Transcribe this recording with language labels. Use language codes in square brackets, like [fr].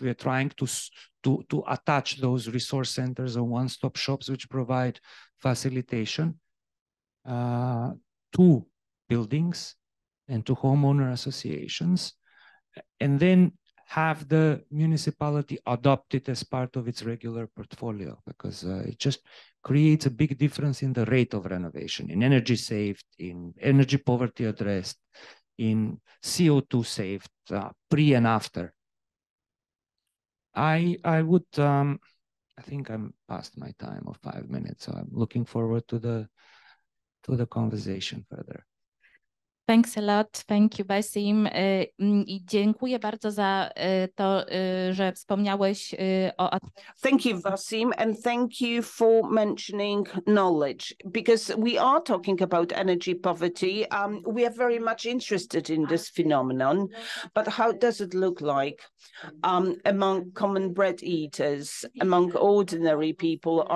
[en] We are trying to attach those resource centers or one-stop shops, which provide facilitation to buildings and to homeowner associations, and then have the municipality adopt it as part of its regular portfolio, because it just creates a big difference in the rate of renovation, in energy saved, in energy poverty addressed, in CO2 saved, pre and after. I would, I think I'm past my time of 5 minutes, so I'm looking forward to the conversation further. Thanks a lot. Thank you, Basim. [pl] I dziękuję bardzo za to, że wspomniałeś o... [en] Thank you, Basim, and thank you for mentioning knowledge, because we are talking about energy poverty. We are very much interested in this phenomenon, but how does it look like among common bread eaters, among ordinary people?